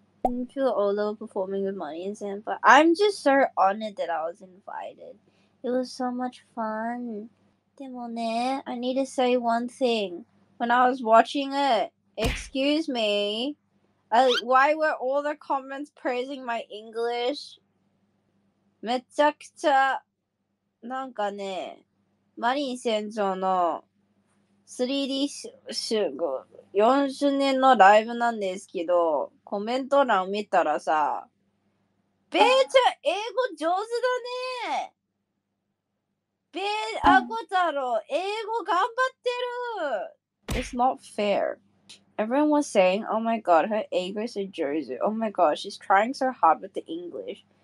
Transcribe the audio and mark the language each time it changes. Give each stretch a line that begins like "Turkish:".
English: Thank you, Olo, performing with my instant, but I'm just so honored that I was invited. It was so much fun.
Japanese: Demo ne,
English: I need to say one thing. When I was watching it, excuse me, why were all the comments praising my English?
Japanese: めちゃくちゃ、なんかね、マリン船長の 3D4周年のライブなんですけど、コメント欄を見たらさ、ベイちゃん英語上手だね。ベイ、アゴ太郎英語頑張ってる。
English: It's not fair. Everyone was saying, oh my god, her English is Josie. Oh my god, she's trying so hard with the English.